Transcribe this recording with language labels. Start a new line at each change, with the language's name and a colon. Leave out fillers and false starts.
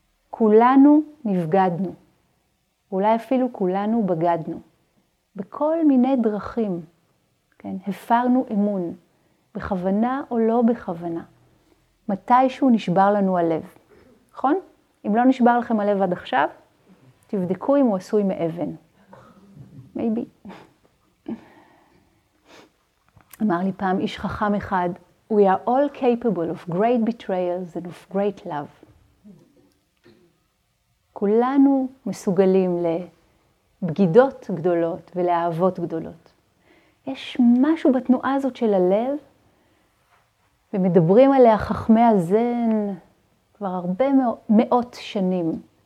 Hebrew: כולנו נבגדנו. אולי אפילו כולנו בגדנו, בכל מיני דרכים, כן? הפרנו אמון, בכוונה או לא בכוונה. מתישהו נשבר לנו הלב, נכון? אם לא נשבר לכם הלב עד עכשיו, תבדקו אם הוא עשוי מאבן.
English: Maybe.
Hebrew: אמר לי פעם איש חכם אחד,
English: We are all capable of great betrayals and of great love.
Hebrew: כולנו מסוגלים לבגידות גדולות ולאהבות גדולות. יש משהו בתנועה הזאת של הלב, ומדברים עליה חכמי הזן כבר הרבה מאות שנים.